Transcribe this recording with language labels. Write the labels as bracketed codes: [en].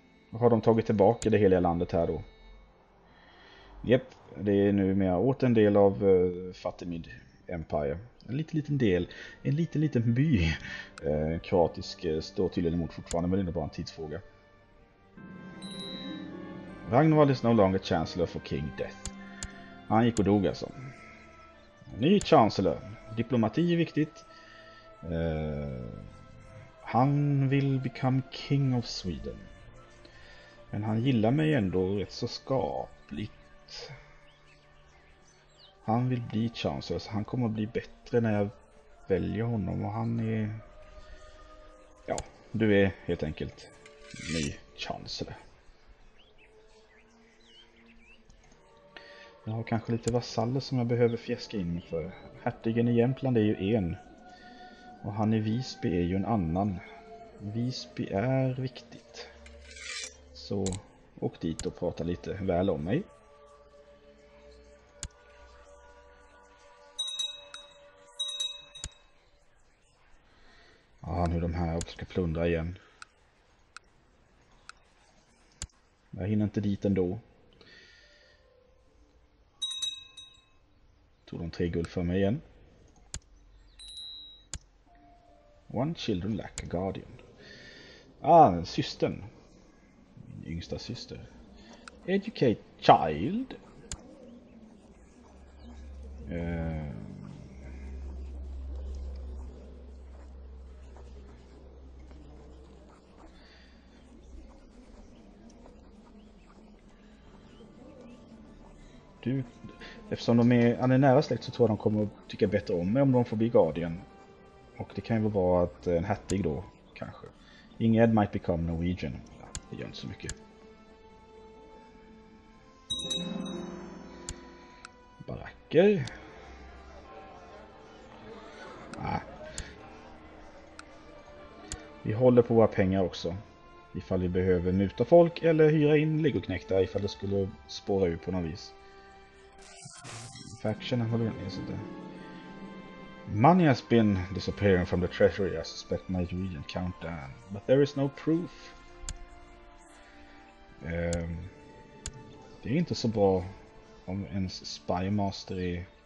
[sv] Har de tagit tillbaka det heliga landet här då? Jep, det är numera åt en del av Fatimid Empire. En liten, liten del. En liten, liten by. Kroatisk står tydligen emot fortfarande, men det är bara en tidsfråga. [en] Ragnvald is no longer chancellor for King Death. [sv] Han gick och dog alltså. Ny chancellor. Diplomati är viktigt. Han vill [en] become king of Sweden. [sv] Men han gillar mig ändå rätt så skapligt. Han vill bli chancellor, så han kommer att bli bättre när jag väljer honom. Och han är... Ja, du är helt enkelt ny chancellor. Jag har kanske lite vasaller som jag behöver fjäska in för. Hertigen i Jämtland är ju en. Och han i Visby är ju en annan. Visby är viktigt. Så åk dit och prata lite väl om mig. Ja, nu de här också ska plundra igen. Jag hinner inte dit ändå. Tog de tre guld för mig igen. [en] One children lack a guardian. [sv] Ah, systern. Min yngsta syster. [en] Educate child. [sv] Du, eftersom de är, han är nära släkt, så tror jag de kommer att tycka bättre om mig om de får bli guardian. Och det kan ju vara att en hattig då, kanske. [en] Ingrid might become Norwegian. [sv] Ja, det gör inte så mycket. Baracker. Nej. Vi håller på våra pengar också. Ifall vi behöver muta folk eller hyra in legoknäktar ifall det skulle spåra ur på något vis. Faction, jag håller inte ens inte. [en] Money has been disappearing from the treasury, I suspect my region count down, but there is no proof. [sv] Det är inte så bra om ens spymaster är...